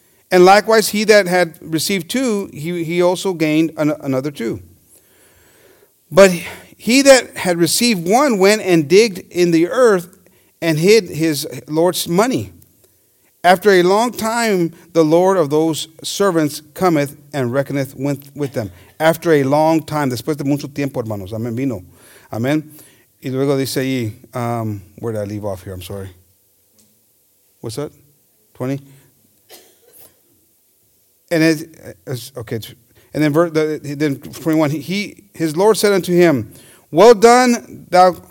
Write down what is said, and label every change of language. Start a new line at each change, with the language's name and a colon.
English: And likewise, he that had received 2, he also gained another 2. But he that had received 1 went and digged in the earth and hid his Lord's money. After a long time, the Lord of those servants cometh and reckoneth with them. After a long time,
Spanish: después de mucho tiempo, hermanos, amen, vino. Amen. Y luego dice ahí,
English: where did I leave off here? I'm sorry. What's that? 20? And it's okay. And then 21, his Lord said unto him, well done, thou.